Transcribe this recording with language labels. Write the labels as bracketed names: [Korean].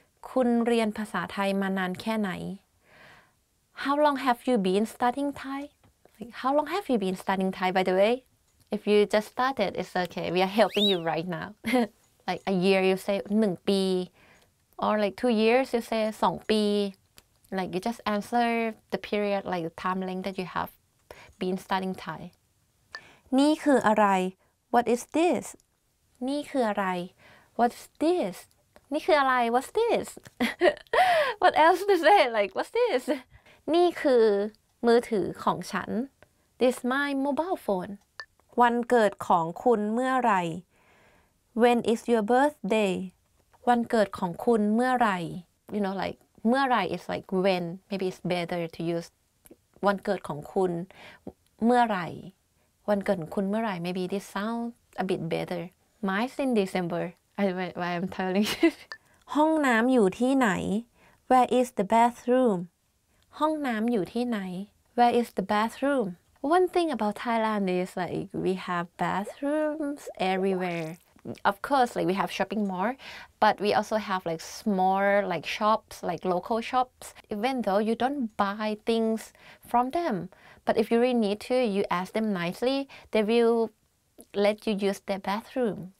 [Thai] คุณเรียนภาษาไทยมานานแค่ไหน? [English] How long have you been studying Thai? How long have you been studying Thai, by the way? If you just started, it's okay. We are helping you right now. Like a year, you say 1 ปี. Or like 2 years, you say 2 ปี. Like you just answer the period, like the time length that you have been studying Thai. [Thai] นี่คืออะไร? [English] What is this? [Thai] นี่คืออะไร? [English] What's this? นี่คืออะไร? What's this? What else to say? Like, what's this? [Thai] นี่คือมือถือของฉัน. [English] This is my mobile phone. [Thai] วันเกิดของคุณเมื่อไร? [English] When is your birthday? [Thai] วันเกิดของคุณเมื่อไร? [English] You know, like,เมื่อไร is like when, maybe it's better to use [Thai] วันเกิดของคุณเมื่อไรวันเกิดของคุณเมื่อไร [English] maybe this sounds a bit better mine's in December why I'm telling you [Thai] ห้องน้ำอยู่ที่ไหน [English] where is the bathroom [Thai] ห้องน้ำอยู่ที่ไหน [English] where is the bathroom one thing about Thailand is like we have bathrooms everywhereOf course, like we have shopping mall, but we also have like small like shops, like local shops. Even though you don't buy things from them, but if you really need to, you ask them nicely, they will let you use their bathroom.